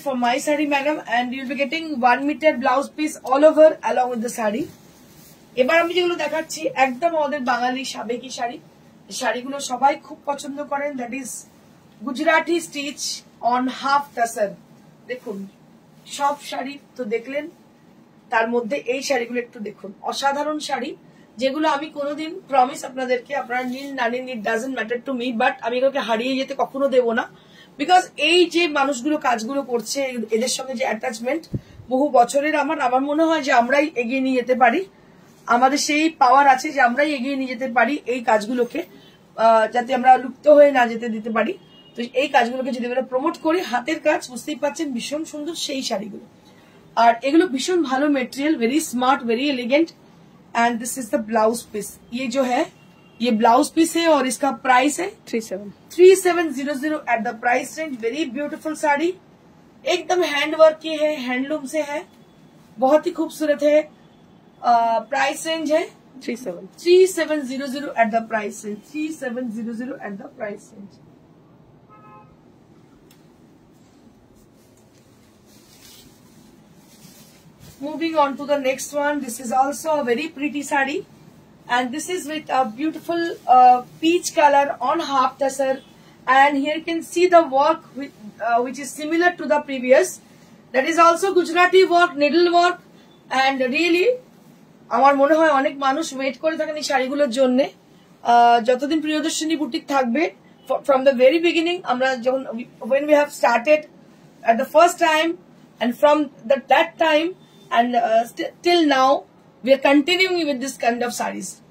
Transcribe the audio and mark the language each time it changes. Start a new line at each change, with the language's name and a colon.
English: For my sari madam and you will be getting 1 meter blouse piece all over along with the sari.
Bangla: এবার আমি যেগুলো দেখাচ্ছি একদম আমাদের বাঙালি সাবেকি শাড়ি, শাড়িগুলো সবাই খুব পছন্দ করেন,
English: That is Gujarati stitch on half tussar.
Bangla: দেখুন সব শাড়ি তো দেখলেন, তার মধ্যে এই শাড়িগুলো একটু দেখুন, অসাধারণ শাড়ি যেগুলো আমি কোনোদিন প্রমিস আপনাদেরকে, আপনারা নিন না নিন
English: it doesn't matter to me,
Bangla: but আমি এগুলোকে হারিয়ে যেতে কখনো দেবো না, বিকজ এই যে মানুষগুলো কাজগুলো করছে এদের সঙ্গে যে অ্যাটাচমেন্ট বহু বছরের, আমার মনে হয় যে আমরাই এগিয়ে নিয়ে যেতে পারি, আমাদের সেই পাওয়ার আছে যে আমরাই এগিয়ে নিয়ে যেতে পারি এই কাজগুলোকে, যাতে আমরা লুপ্ত হয়ে না যেতে দিতে পারি। তো এই কাজগুলোকে যদি আমরা প্রমোট করি, হাতের কাজ বুঝতেই পারছেন ভীষণ সুন্দর সেই শাড়িগুলো, আর এগুলো ভীষণ ভালো material,
English: Very smart, very elegant. And this is the blouse piece,
Hindi: ইয়ে যো হ্যায় ইয়ে ব্লাউজ পিস হ্যায় অর ইসকা প্রাইস হ্যায় 3700
English: at the price range, very beautiful sari,
Hindi: একদম হ্যান্ড ওয়ার্ক কি হ্যায়, হ্যান্ডলুম সে হ্যায়, বহুত হি খুবসুরত হ্যায়। प्राइस रेंज है 3700
English: at the price range,
Hindi: 3700 at the price range.
English: Moving on to the next one. This is also a very pretty sari and this is with a beautiful peach colour on half tussar and here can see the work which is similar to the previous. That is also Gujarati work, needle work and really
Bangla: আমার মনে হয় অনেক মানুষ wait করে থাকেন এই শাড়িগুলোর জন্য. যতদিন প্রিয়দর্শিনী বুটিক থাকবে,
English: from the very beginning
Bangla: আমরা যখন
English: When we have started at the first time and from that time and till now we are continuing with this kind of saris.